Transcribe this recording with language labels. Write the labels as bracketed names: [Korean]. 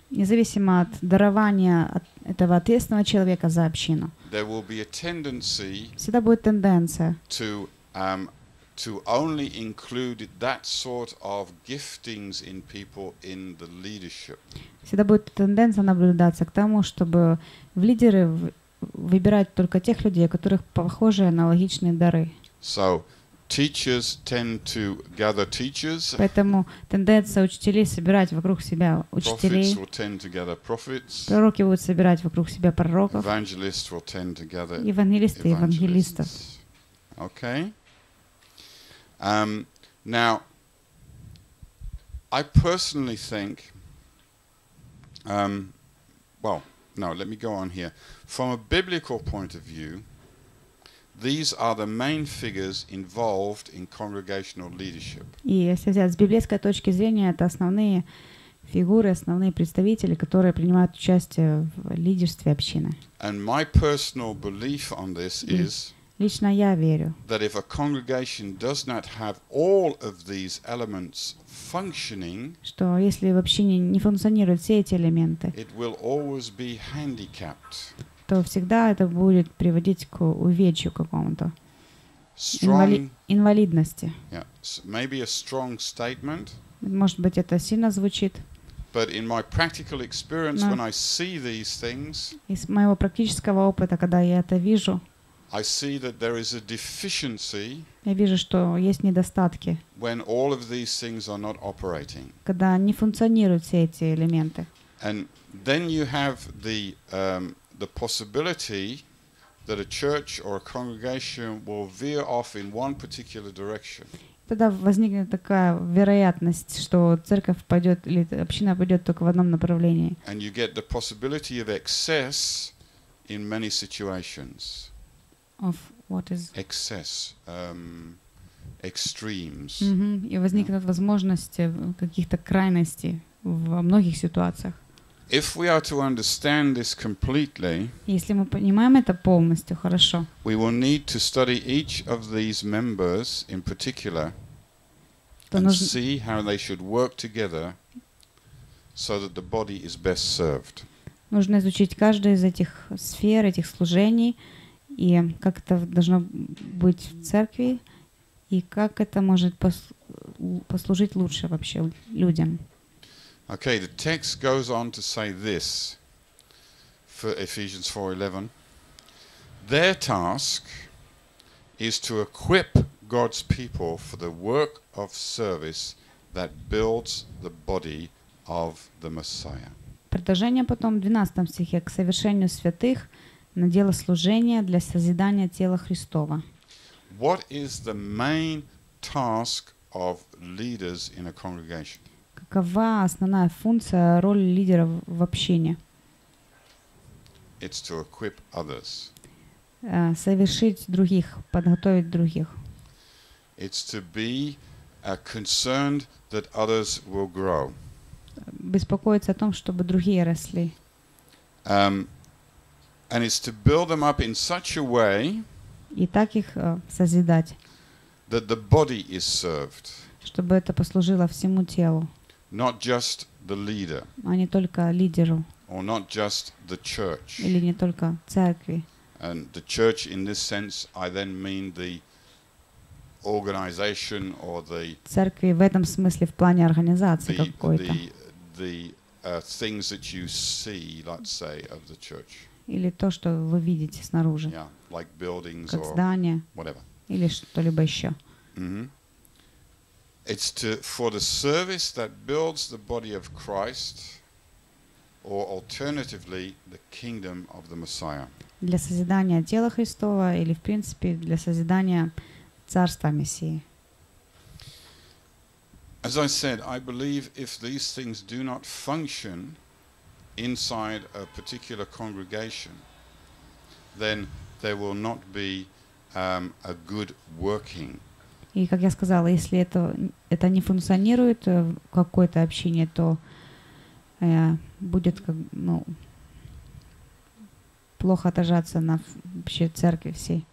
[Russian] Независимо от дарования от этого ответственного человека за общину. [English] There will be a tendency [Russian] всегда будет тенденция [English] to only include that sort of giftings in people in the leadership. [Russian] Всегда будет тенденция наблюдаться к тому, чтобы в лидеры выбирать только тех людей, у которых похожие аналогичные дары. [English] So teachers tend to gather teachers. [Russian] Поэтому тенденция учителей собирать вокруг себя учителей. [English] Prophets will tend to gather prophets. [Russian] Пророки будут собирать вокруг себя пророков. [English] Evangelists will tend to gather [Russian] евангелисты евангелистов. [English] Okay. Now, I personally think. Let me go on here. From a biblical point of view, these are the main figures involved in congregational leadership. [Russian] И если взять с библейской точки зрения, это основные фигуры, основные представители, которые принимают участие в лидерстве общины. [English] And my personal belief on this is. [Russian] Лично я верю. [English] That if a congregation does not have all of these elements functioning, [Russian] что если в общине не функционируют все эти элементы, [English] it will always be handicapped. [Russian] То всегда это будет приводить к увечью какому-то. Инвалидности. [English] Yeah, maybe a strong statement. [Russian] Может быть, это сильно звучит. [English] But in my practical experience, when I see these things, [Russian] из моего практического опыта, когда я это вижу, [English] I see that there is a deficiency. [Russian] Я вижу, что есть недостатки. [English] When all of these things are not operating. [Russian] Когда не функционируют все эти элементы. [English] And then you have the possibility that a church or a congregation will veer off in one particular direction. [Russian] Тогда возникнет такая вероятность, что церковь пойдет или община пойдет только в одном направлении. [English] And you get the possibility of excess in many situations. Of what is excess, extremes. Mm-hmm. [Russian] И возникнут возможности каких-то крайностей во многих ситуациях. [English] If we are to understand this completely, [Russian] если мы понимаем это полностью, хорошо. [English] We will need to study each of these members in particular and see how they should work together so that the body is best served. [Russian] Нужно изучить каждую из этих сфер, этих служений и как это должно быть в церкви и как это может послужить лучше вообще людям. [English] Okay, the text goes on to say this for Ephesians 4:11. Their task is to equip God's people for the work of service that builds the body of the Messiah. [Russian] Продолжение потом в 12 стихе к совершению святых на дело служения для созидания тела Христова. [English] What is the main task of leaders in a congregation? [Russian] Какова основная функция, роль лидера в общине? [English] It's to equip others. [Russian] Совершить других, подготовить других. [English] It's to be concerned that others will grow. [Russian] Беспокоиться о том, чтобы другие росли. [English] And it's to build them up in such a way, [Russian] и так их созидать, [English] that the body is served. [Russian] Чтобы это послужило всему телу. [English] Not just the leader, [Russian] а не только лидеру, [English] or not just the church, [Russian] или не только церкви. [English] And the church in this sense, I then mean the organization or the [Russian] церкви в этом смысле в плане организации какой-то. [English] The things that you see, let's say, of the church. [Russian] Или то, что вы видите снаружи. [English] Yeah, like buildings [Russian] как здания, [English] or whatever. [Russian] Или что-либо еще. Mm-hmm. [English] It's to for the service that builds the body of Christ, or alternatively, the kingdom of the Messiah. [Russian] Для созидания тела Христова или, в принципе, для созидания царства Мессии. [English] As I said, I believe if these things do not function inside a particular congregation, then there will not be a good working. [Russian] И, как я сказала, если это не функционирует в какой-то общине, то будет как, ну, плохо отражаться на вообще церкви всей.